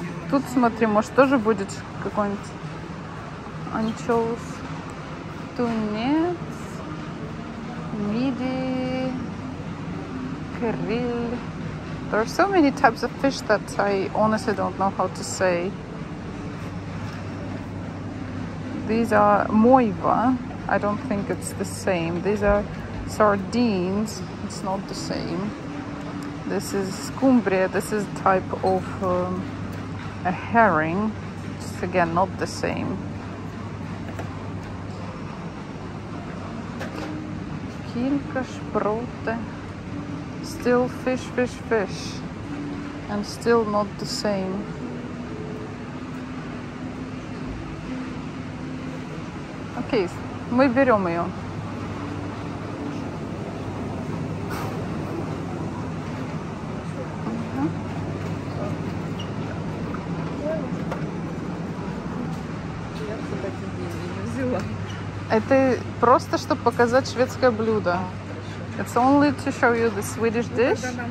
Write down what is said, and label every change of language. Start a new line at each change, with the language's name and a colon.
Russian: Тут смотри, может тоже будет какой-нибудь анчоус, тунец, миди, кариль.
English: There are so many types of fish that I honestly don't know how to say. These are moiva. I don't think it's the same. These are sardines. It's not the same. This is skumbria. This is a type of a herring. It's again not the same.
Russian: Килька, шпроты.
English: Still fish. And still not the same.
Russian: Кейс, мы берем ее. Это просто, чтобы показать шведское блюдо.
English: It's only to show you the Swedish dish.